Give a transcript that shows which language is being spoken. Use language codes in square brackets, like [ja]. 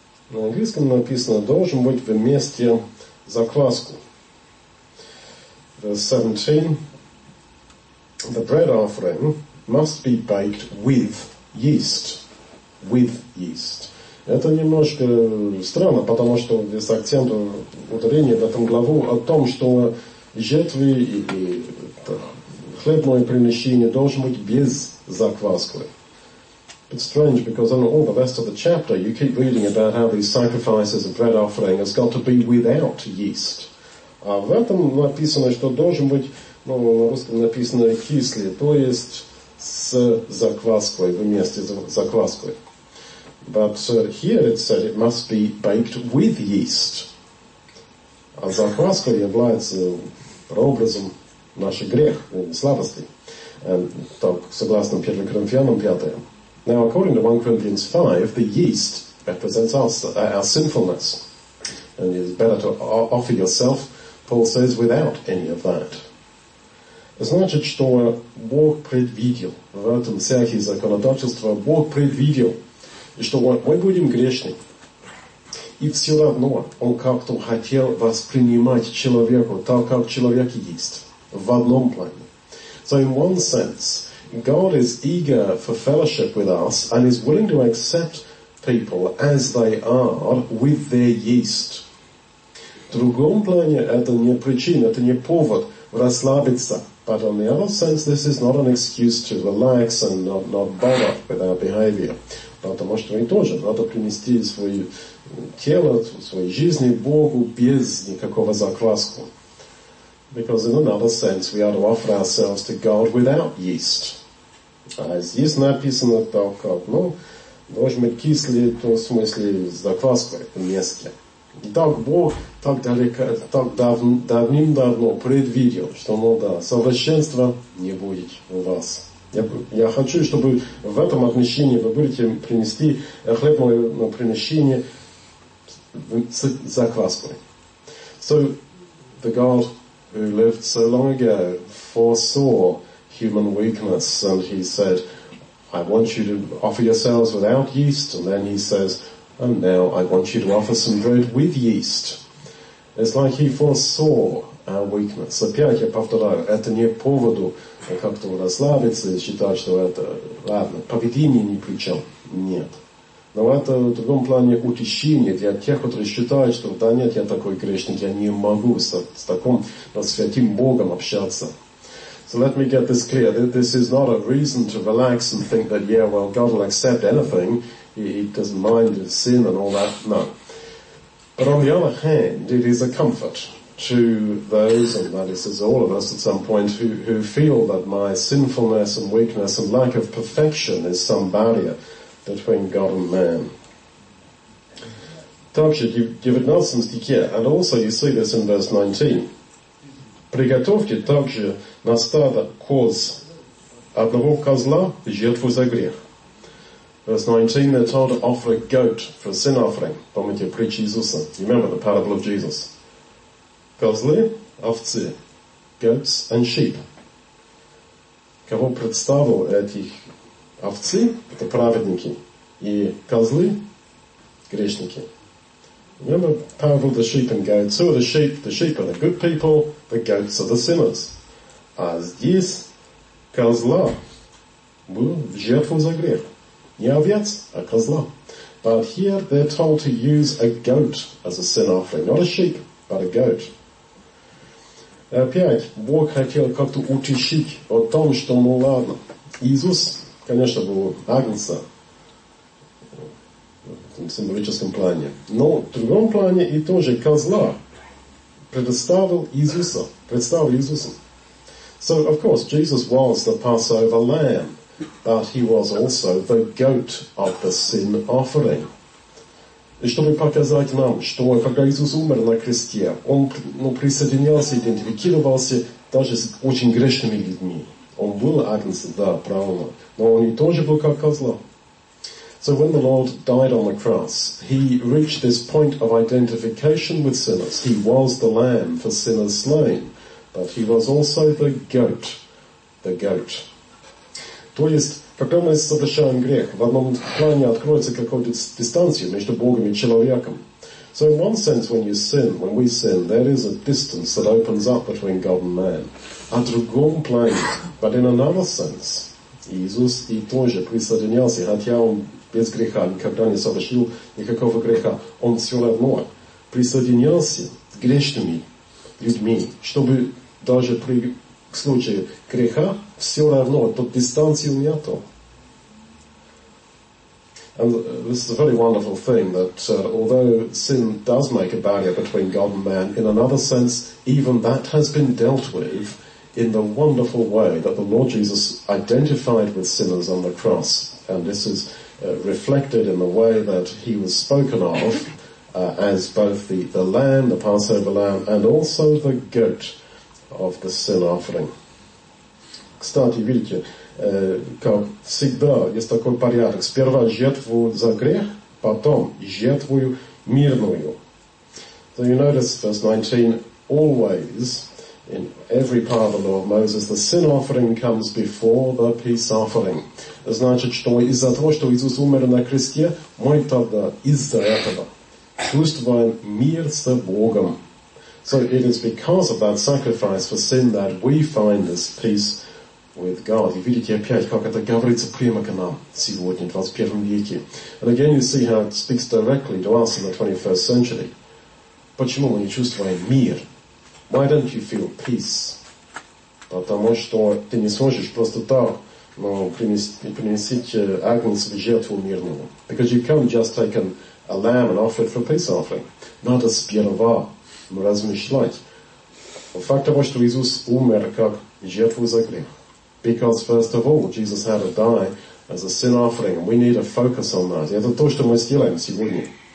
[ru] На английском написано, должен быть вместе закваску. [en] Verse 17, the bread offering must be baked with yeast. With yeast. [ru] Это немножко странно, потому что здесь акцент ударения в этом главу о том, что жертвы и хлебное приношение должно быть без закваски. [en] It's strange because in all the rest of the chapter you keep reading about how these sacrifices and bread offering has got to be without yeast. [ru] А в этом написано, что должен быть, на русском написано кислый, то есть с закваской, вместе с закваской. [en] But here it said it must be baked with yeast. [ru] А закваска является прообразом нашего греха, слабости. так, согласно 1 Коринфянам 5. [en] Now, according to 1 Corinthians 5, the yeast represents us, our sinfulness. And it's better to offer yourself, Paul says, without any of that. [ru] Значит, что Бог предвидел в этом всякие законодательства, Бог предвидел, и что мы будем грешны. И все равно Он как-то хотел воспринимать человека так, как человек есть, в одном плане. [en] So in one sense, God is eager for fellowship with us and is willing to accept people as they are with their yeast. [ru] В другом плане это не причина, это не повод расслабиться. [en] But on the other sense, this is not an excuse to relax and not bother with our behavior. [ru] Потому что мы тоже надо принести свое тело, свою жизнь Богу без никакого закваску. [en] Because in another sense, we are to offer ourselves to God without yeast. [ru] А здесь написано так, как, ну, должен быть кислый, то в смысле закваской вместе. Так Бог так далеко, так давным-давно предвидел, что, ну да, совершенства не будет у вас. Я хочу, чтобы в этом отмещении вы будете принести хлеб мое на приношение с закваской. [en] So, the God who lived so long ago foresaw human weakness, and he said, I want you to offer yourselves without yeast, and then he says, and now I want you to offer some bread with yeast. It's like he foresaw our weakness. [ru] Опять я повторяю, это не поводу как-то расслабиться и считать, что это, ладно, поведение ни при чем. Нет. Но это в другом плане утешение для тех, которые считают, что да нет, я такой грешник, я не могу с таким святым Богом общаться. [en] So let me get this clear. This is not a reason to relax and think that, yeah, well, God will accept anything. He doesn't mind his sin and all that. No. But on the other hand, it is a comfort to those, and that is all of us at some point, who feel that my sinfulness and weakness and lack of perfection is some barrier between God and man. [ru] Также, 19 стихе, [en] and also you see this in verse 19. [ru] Приготовьте также на стадо коз одного козла жертву за грех. [en] Verse 19, they're told to offer a goat for a sin offering. [ru] Помните, при Иисусе. [en] You remember the parable of Jesus. [ru] Козлы, овцы, [en] goats and sheep. [ru] Кого представил этих овцы? Это праведники. И козлы – грешники. [en] Remember the parable of the sheep and goats? Who are the sheep? The sheep are the good people. The goats are the sinners. [ru] А здесь козла был жертву за грех. Не овец, а козла. [en] But here they're told to use a goat as a sin offering. Not a sheep, but a goat. [ru] Опять, Бог хотел как-то утешить о том, что, ну ладно, Иисус, конечно, был агнца в символическом плане. Но в другом плане и тоже козла предоставил Иисуса. Представил Иисуса. [en] So, of course, Jesus was the Passover lamb. But he was also the goat of the sin offering. [ru] И чтобы показать нам, что когда Иисус умер на кресте, он присоединялся, идентифицировался даже с очень грешными людьми. Он был агнцем, да, правильно. Но он и тоже был как козла. [en] So when the Lord died on the cross, he reached this point of identification with sinners. He was the lamb for sinners slain, but he was also the goat, the goat. [ru] То есть, когда мы совершаем грех, в одном плане откроется какая-то дистанция между Богом и человеком. [en] So in one sense, when we sin, there is a distance that opens up between God and man. [ru] А в другом плане, [en] but in another sense, [ru] Иисус и тоже присоединялся, хотя он без греха никогда не совершил никакого греха, он все равно присоединялся с грешными людьми, чтобы даже при случае греха все равно тут дистанции нету. [en] And this is a very wonderful thing that although sin does make a barrier between God and man, in another sense, even that has been dealt with in the wonderful way that the Lord Jesus identified with sinners on the cross. And this is reflected in the way that he was spoken of as both the lamb, the Passover lamb, and also the goat of the sin offering. [ru] Кстати, видите, как всегда есть такой порядок. Сперва жертву за грех, потом жертву мирную. [en] So you notice verse 19, always in every part of the law of Moses, the sin offering comes before the peace offering. [ru] Значит, что из-за того, что Иисус умер на кресте, мы тогда из-за этого чувствуем мир с Богом. [en] So it is because of that sacrifice for sin that we find this peace with God. [ru] И видите опять, как это говорится прямо к нам сегодня, в 21 веке. [en] And again, you see how it speaks directly to us in the 21st century. [ru] Почему мы не чувствуем мир? [en] Why don't you feel peace? [ru] Потому что ты не сможешь просто так, ну, принести агнцев жертву мирному. [en] Because you can't just take a lamb and offer it for peace offering. [ru] Надо сперва размышлять. Факт того, что Иисус умер как жертву за грех. [en] Because first of all, Jesus had to die as a sin offering. We need to focus on that. [ru] Это то, что мы сделаем сегодня.